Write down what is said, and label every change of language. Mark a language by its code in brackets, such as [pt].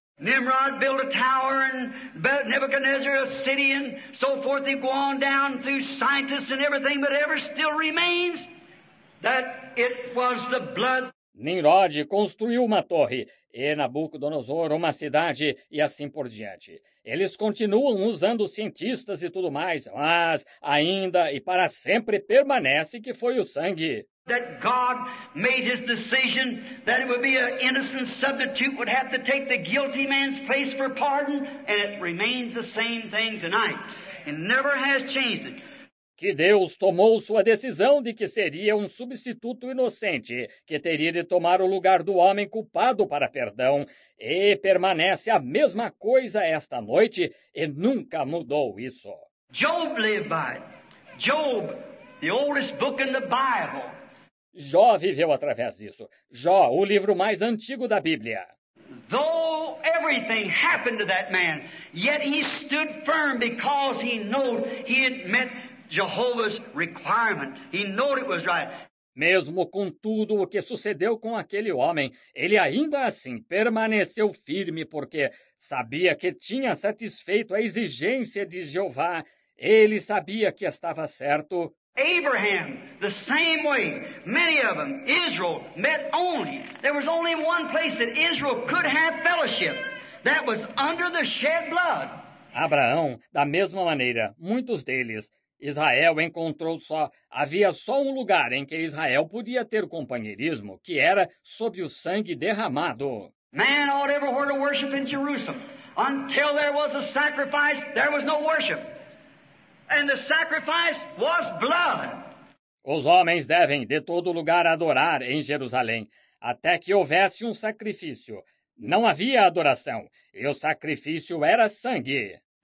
[en] Nimrod built a tower and Nebuchadnezzar a city and so forth. They go on down through scientists and everything, but ever still remains that it was the blood. [pt] Nimrod construiu uma torre e Nabucodonosor uma cidade e assim por diante. Eles continuam usando cientistas e tudo mais, mas ainda e para sempre permanece que foi o sangue. [en] That God made his decision that it would be an innocent substitute would have to take the guilty man's place for pardon, and it remains the same thing tonight. It never has changed it. [pt] Que Deus tomou sua decisão de que seria um substituto inocente, que teria de tomar o lugar do homem culpado para perdão, e permanece a mesma coisa esta noite, e nunca mudou isso. [en] Job lived by it. Job, the oldest book in the Bible. [pt] Jó viveu através disso. Jó, o livro mais antigo da Bíblia. [en] Though everything happened to that man, yet he stood firm because he knew he had met Jehovah's requirement. He knew it was right. [pt] Mesmo com tudo o que sucedeu com aquele homem, ele ainda assim permaneceu firme porque sabia que tinha satisfeito a exigência de Jeová. Ele sabia que estava certo. [en] Abraham, the same way, many of them, Israel, met only. There was only one place that Israel could have fellowship. That was under the shed blood. [pt] Abraão, da mesma maneira, muitos deles, Israel encontrou só, havia só um lugar em que Israel podia ter companheirismo, que era sob o sangue derramado. [en] Man ought everywhere to worship in Jerusalem. Until there was a sacrifice, there was no worship. And the sacrifice was blood. [pt] Os homens devem, de todo lugar, adorar em Jerusalém, até que houvesse um sacrifício. Não havia adoração, e o sacrifício era sangue.